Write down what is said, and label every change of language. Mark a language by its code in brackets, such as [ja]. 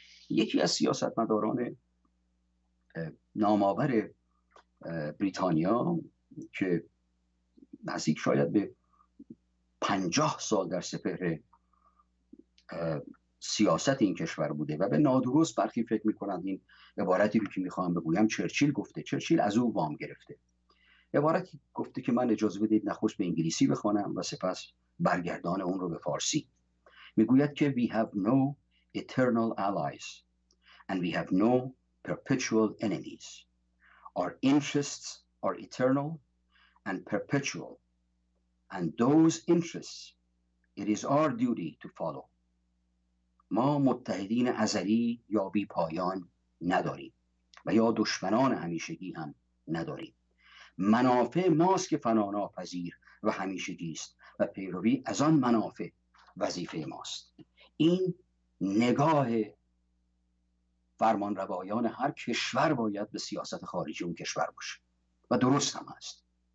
[fa] یکی از سیاستمداران نامآور بریتانیا که نزدیک شاید به 50 سال در سپهر سیاست این کشور بوده و به نادرست برخی فکر میکنند این عبارتی رو که میخواهم بگویم چرچیل گفته، چرچیل از او وام گرفته، عبارتی گفته که من اجازه بدید نخست به انگلیسی بخوانم و سپس برگردان اون رو به فارسی. میگوید که [en] We have no eternal allies and we have no perpetual enemies. Our interests are eternal and perpetual, and those interests it is our duty to follow. [fa] ما متحدین ازلی یا بی پایان نداریم و یا دشمنان همیشگی هم نداریم. منافع ماست که فنا ناپذیر و همیشگی است و پیروی از آن منافع وظیفه ماست. این نگاه فرمان روایان هر کشور باید به سیاست خارجی اون کشور باشه و درست هم است.